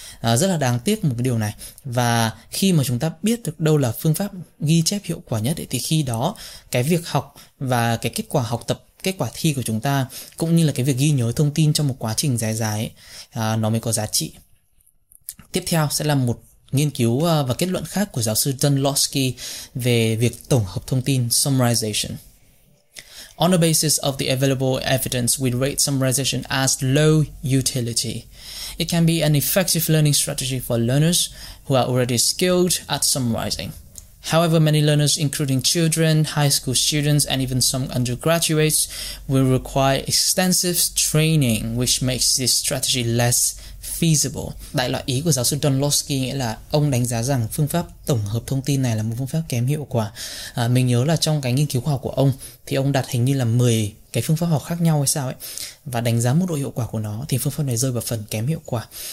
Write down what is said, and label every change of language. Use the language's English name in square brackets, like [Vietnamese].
[Vietnamese] Rất là đáng tiếc một cái điều này. Và khi mà chúng ta biết được đâu là phương pháp ghi chép hiệu quả nhất thì khi đó cái việc học và cái kết quả học tập, kết quả thi của chúng ta cũng như là cái việc ghi nhớ thông tin trong một quá trình dài dài ấy, nó mới có giá trị. Tiếp theo sẽ là một nghiên cứu và kết luận khác của giáo sư Dunlosky về việc tổng hợp thông tin, summarization. [English] On the basis of the available evidence, we rate summarization as low utility. It can be an effective learning strategy for learners who are already skilled at summarizing. However, many learners, including children, high school students, and even some undergraduates, will require extensive training, which makes this strategy less feasible. [Vietnamese] Đại loại ý của giáo sư Dunlosky nghĩa là ông đánh giá rằng phương pháp tổng hợp thông tin này là một phương pháp kém hiệu quả. Mình nhớ là trong cái nghiên cứu khoa học của ông thì ông đặt hình như là 10 cái phương pháp học khác nhau hay sao ấy, và đánh giá mức độ hiệu quả của nó thì phương pháp này rơi vào phần kém hiệu quả.